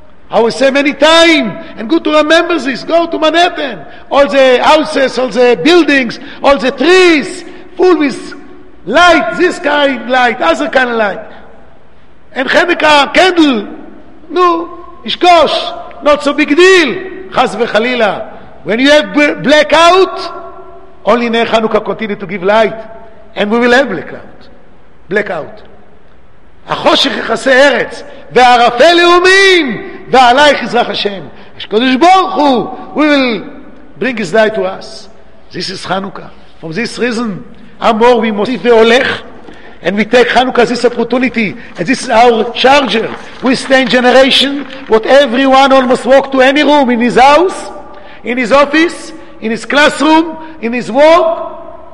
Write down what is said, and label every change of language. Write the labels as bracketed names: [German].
[English] I will say many times, and good to remember this, go to Manhattan, all the houses, all the buildings, all the trees, full with light, this kind of light, other kind of light. And Hanukkah, candle, no, ishkosh, not so big deal, chas v'chalila. When you have blackout, only Ner Hanukkah continue to give light, and we will have blackout. Blackout. [Hebrew] החושך יחסי ארץ וערפי לאומים ועלייך יזרח השם יש קודש ברוך הוא. [English] We will bring his light to us. This is Hanukkah. From this reason Amor we [Hebrew] מוסיף והולך, [English] and we take Hanukkah as this opportunity, and this is our charger. We stay in generation what everyone almost walk to any room in his house, in his office, in his classroom, in his work.